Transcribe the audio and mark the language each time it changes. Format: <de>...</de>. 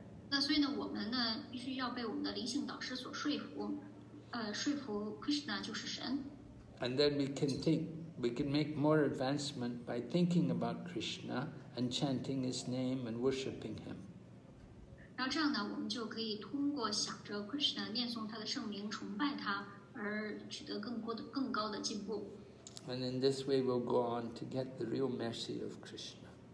<zh>那所以呢，我们呢必须要被我们的灵性导师所说服，说服 Krishna 就是神.</zh> <en>And then we can make more advancement by thinking about Krishna and chanting his name and worshipping him.</en> <zh>然后这样呢，我们就可以通过想着 Krishna 念诵他的圣名，崇拜他，而取得更高的进步。</zh> <en>And in this way, we'll go on to get the real mercy of Krishna.</en>